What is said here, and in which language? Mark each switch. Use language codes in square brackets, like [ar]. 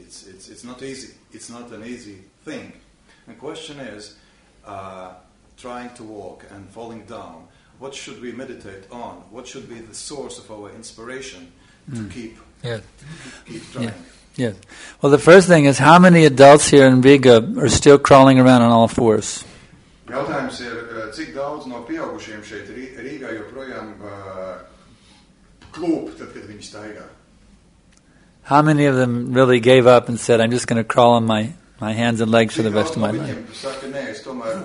[en] It's not easy. It's not an easy thing. The question is, trying to walk and falling down, what should we meditate on? What should be the source of our inspiration to keep trying? Yes. Well, the first thing is, how many adults here in Riga are still crawling around on all fours? [lv] Jautājums ir, cik daudz no pieaugušiem šeit Rīgā joprojām klūp, tad, kad viņi staigā? [en] How many of them really gave up and said, I'm just going to crawl on my hands and legs for the rest of my life?